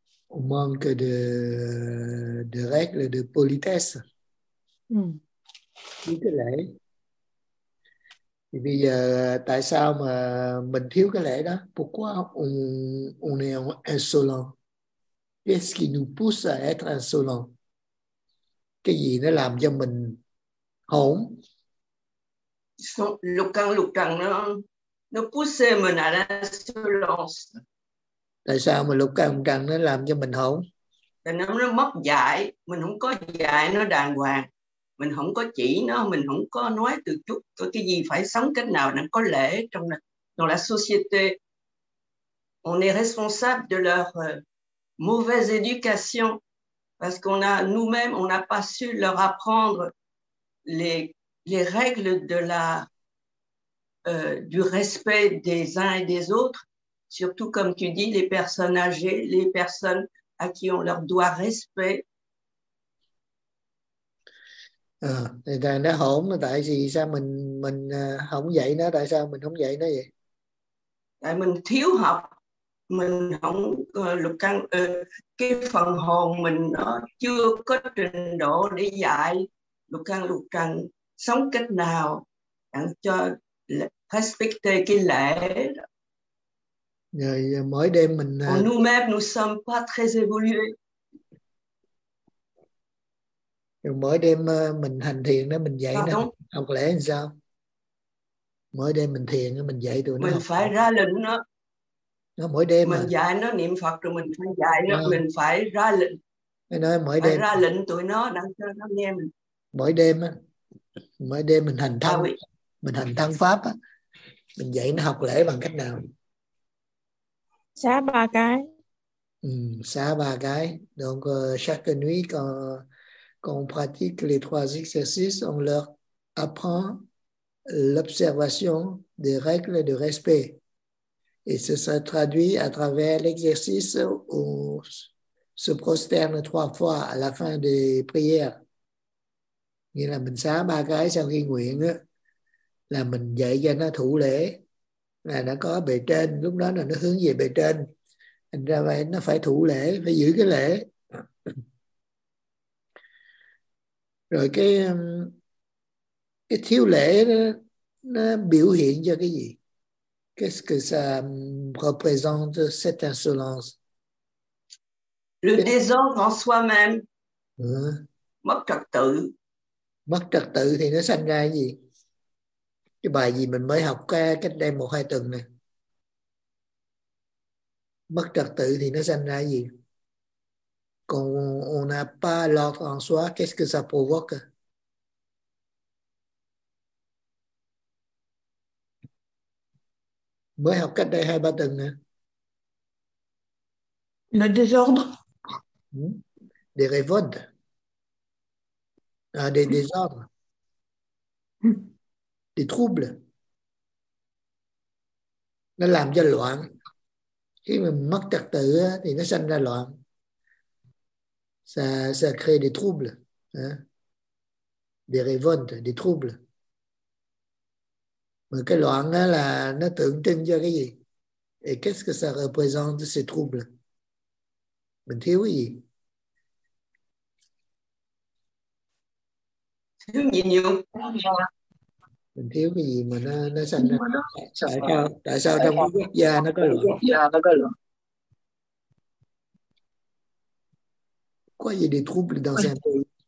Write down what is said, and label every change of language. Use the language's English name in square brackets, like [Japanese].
[French] On manque de règles de politesse. [Vietnamese] Ừ. Thiếu cái lễ. Thì bây giờ tại sao mà mình thiếu cái lễ đó? [French] Pourquoi on est insolent? Qu'est-ce qui nous pousse à être insolent? [Vietnamese] Cái gì nó làm cho mình hổn? Lục căng nó [French] pousse [Vietnamese] mình [French] à l'insolence. [Vietnamese] Tại sao mà lục căng nó làm cho mình hổn? Tại nó mất dạy, mình không có dạy nó đàng hoàng. Mình không có chỉ nó, mình không có nói từ chút có cái gì phải sống cách nào nó có lễ trong [French] dans la société. On est responsable de leur mauvaise éducation parce qu'on a nous-mêmes on n'a pas su leur apprendre les règles de la du respect des uns et des autres, surtout comme tu dis les personnes âgées, les personnes à qui on leur doit respect. [Vietnamese] Thì thằng nó hổn là tại vì sao mình không dạy nó, tại sao mình không dạy nó vậy? Tại mình thiếu học, mình không lục căn cái phần hồn mình nó chưa có trình độ để dạy lục căn sống cách nào cho respect cái lễ. Rồi mỗi đêm mình [French] nous-mêmes nous sommes pas très évolués. [Vietnamese] Mỗi đêm mình hành thiền đó mình dạy nó học lễ làm sao? Mỗi đêm mình thiền đó mình dạy tụi nó. Mình phải ra lệnh nó. Nó mỗi đêm mình dạy nó niệm Phật rồi mình phải dạy nó, mình phải ra lệnh. Mình nói mỗi phải đêm ra lệnh tụi nó đang cho nó nghe mình. Mỗi đêm mình hành thân. Mình hành thân pháp á. Mình dạy nó học lễ bằng cách nào? Xá ba cái. Xá ba cái. [French] Donc chaque nuit quand on pratique les trois exercices, on leur apprend l'observation des règles de respect. Et ça se traduit à travers l'exercice où on se prosterne trois fois à la fin des prières. [Vietnamese] Nghĩa là mình xá ba cái sau khi nguyện á, là mình dạy cho nó thủ lễ, là nó có bề trên, lúc đó là nó hướng về bề trên. Thành ra vậy nó phải thủ lễ, phải giữ cái lễ. Rồi cái thiếu lễ đó, nó biểu hiện cho cái gì? [French] Qu'est-ce que ça représente cette insolence? Le désordre en soi-même. [Vietnamese] Mất trật tự. Mất trật tự thì nó sanh ra cái gì? Cái bài gì mình mới học cách đây 1-2 tuần nè. Mất trật tự thì nó sanh ra cái gì? Còn [French] on n'a pas l'ordre en soi, qu'est-ce que ça provoque? [Vietnamese] Mới học cách đây 2-3 tuần nè. [French] Le désordre. Des révoltes. Des désordres. Des troubles. [Vietnamese] Nó làm cho loạn. Khi mà mất trật tự thì nó sanh ra loạn. [French] Ça crée des troubles, hein? Des révoltes, des troubles. Mais [Vietnamese] cái loạn đó là nó tượng trưng cho cái gì? [French] Et qu'est-ce que ça représente ces troubles? [Vietnamese] Mình thiếu cái gì? Thiếu gì nhiều? Mình thiếu cái gì mà nó sanh ra? Tại sao trong quốc gia nó có loạn? [French] Pourquoi il y a des troubles dans un pays?